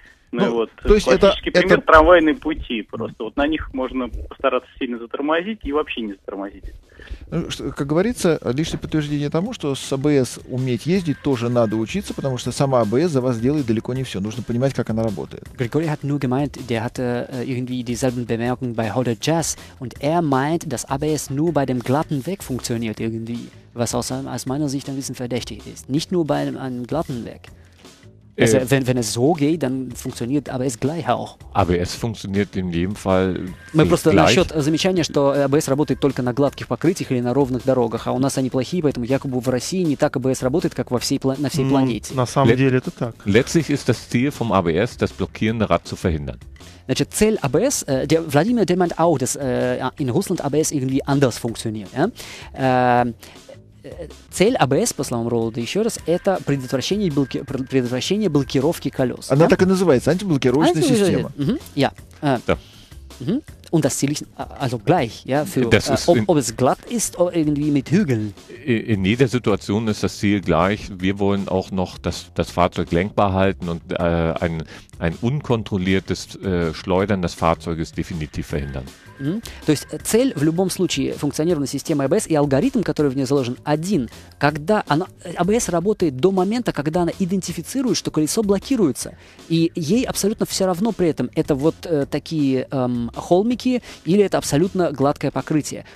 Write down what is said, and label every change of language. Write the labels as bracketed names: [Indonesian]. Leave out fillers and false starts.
[Russian] То есть классический пример это... трамвайные пути. Просто вот на них можно постараться сильно затормозить и вообще не затормозить. Как говорится, лишнее подтверждение тому, что с АБС уметь ездить тоже надо учиться, потому что сама АБС за вас делает далеко не все. Нужно понимать, как она работает. [German] Григорий hat nur gemeint, der hatte irgendwie dieselbe Bemerkung bei Honda Jazz und meint, dass ABS nur bei dem glatten Weg funktioniert irgendwie, was aus meiner Sicht ein bisschen verdächtig ist. Nicht nur bei einem glatten Weg. Also wenn es so geht, dann funktioniert ABS gleich auch. ABS funktioniert in jedem Fall gleich. [Russian] Мы просто насчет замечания, что ABS работает только на гладких покрытиях или на ровных дорогах, а у нас они плохие, поэтому якобы в России не так ABS работает, как на всей планете. На самом деле это так. [German] Letztlich ist das Ziel vom ABS, das blockierende Rad zu verhindern. [Russian] Значит, цель АБС, [German] der Владимир, der meint auch, dass in Russland ABS irgendwie anders funktioniert. Ja? [Russian] Цель АБС, по словам Роланда, еще раз, это предотвращение блокировки колес. Она так и называется, антиблокировочная система. Да. [German] Ja. Und das ziel ich also gleich, ja, für ob es glatt ist oder irgendwie mit Hügeln. In jeder Situation ist das Ziel gleich. Wir wollen auch noch das Fahrzeug lenkbar halten und ein unkontrolliertes Schleudern des Fahrzeuges definitiv verhindern. Mm-hmm. [Russian] То есть цель в любом случае функционирования системы АБС и алгоритм, который в ней заложен, один. Когда АБС работает до момента, когда она идентифицирует, что колесо блокируется, и ей абсолютно все равно при этом, это вот такие холмики или это абсолютно гладкое покрытие.